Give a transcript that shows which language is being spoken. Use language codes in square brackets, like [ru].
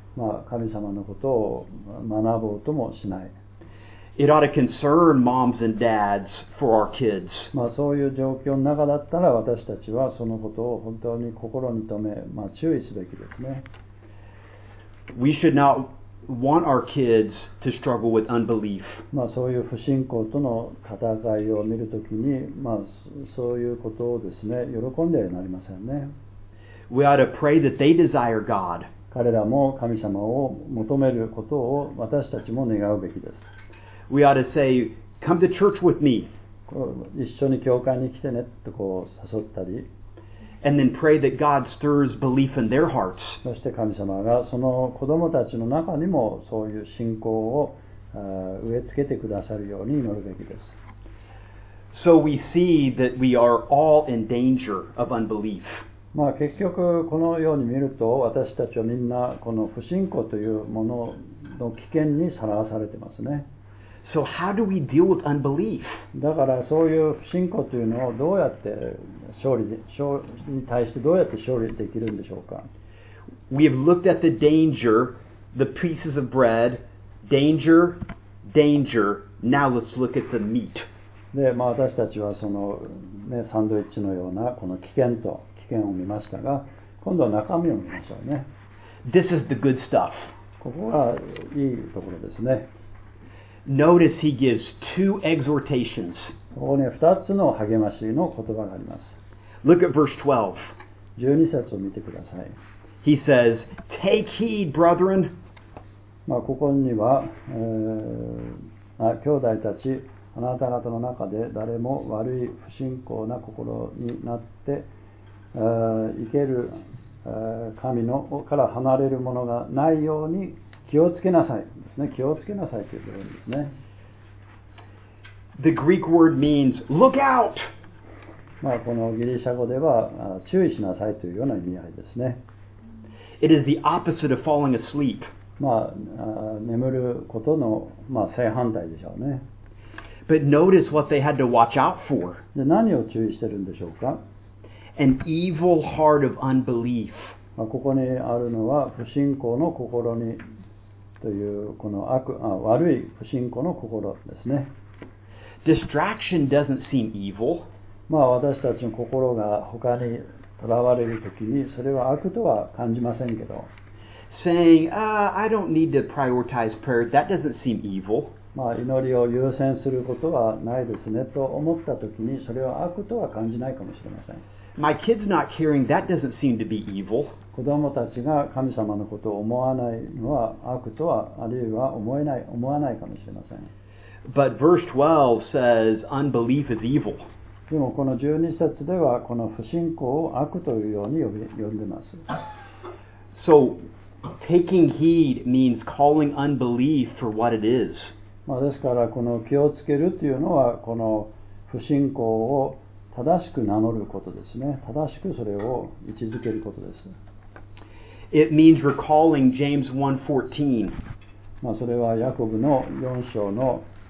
[ja] まあ神様のことを学ぼうともしない。 [en] It ought to concern moms and dads for our kids. [ja] まあそういう状況の中だったら私たちはそのことを本当に心に留め、まあ注意すべきですね。 [en] We should not want our kids to struggle with unbelief. [ja] まあそういう不信仰との戦いを見るときに、まあそういうことをですね、喜んではなりませんね。 [en] We ought to pray that they desire God. [ja] 彼らも神様を求めることを私たちも願うべきです。 [en] We ought to say, come to church with me. [ja] 一緒に教会に来てねとこう誘ったり。 [en] And then pray that God stirs belief in their hearts. [ja] そして神様がその子供たちの中にもそういう信仰を植え付けてくださるように祈るべきです。 [en] So we see that we are all in danger of unbelief. [ja] まあ結局このように見ると私たちはみんなこの不信仰というものの危険にさらわされてますね。 [en] So how do we deal with unbelief? [ja] だからそういう不信仰というのをどうやって勝利に対してどうやって勝利できるんでしょうか。 [en] We have looked at the danger, the pieces of bread, danger, danger. Now let's look at the meat. [ja] で、まあ私たちはそのねサンドイッチのようなこの危険を見ましたが、今度は中身を見ましょうね。 [en] This is the good stuff. [ja] ここがいいところですね。 [en] Notice he gives two exhortations. [ja] ここに二つの励ましの言葉があります。 [en] Look at verse 12. [ja] 十二節を見てください。 [en] He says, "Take heed, brethren." [ja] まあここには、兄弟たち、あなた方の中で誰も悪い不信仰な心になって、生ける神のから離れるものがないように気をつけなさいですね。気をつけなさいということですね。 [en] The Greek word means look out。 [ja] まあこのギリシャ語では注意しなさいというような意味合いですね。 [en] It is the opposite of falling asleep。 [ja] まあ眠ることの、まあ、正反対でしょうね。 [en] But notice what they had to watch out for。 [ja] で何を注意してるんでしょうか。 [en] An evil heart of unbelief。 [ja] まあここにあるのは不信仰の心にというこの悪い不信仰の心ですね。 [en] Distraction doesn't seem evil。 [ja] まあ私たちの心が他にとらわれるときにそれは悪とは感じませんけど。 [en] Saying, ah, I don't need to prioritize prayer. That doesn't seem evil. [ja] まあ祈りを優先することはないですねと思ったときにそれは悪とは感じないかもしれません。 [en] My kids not caring, that doesn't seem to be evil. [ja] 子供たちが神様のことを思わないのは悪とはあるいは思わないかもしれません。 [en] But verse 12 says unbelief is evil. [ja] でもこの12節ではこの不信仰を悪というように呼んでます。 [en] So, taking heed means calling unbelief for what it is. [ja] まあですからこの気をつけるというのはこの不信仰を正しく名乗ることですね。正しくそれを位置づけることです。 [en] It means recalling James 1:14. [ja] まあそれはヤコブの4章の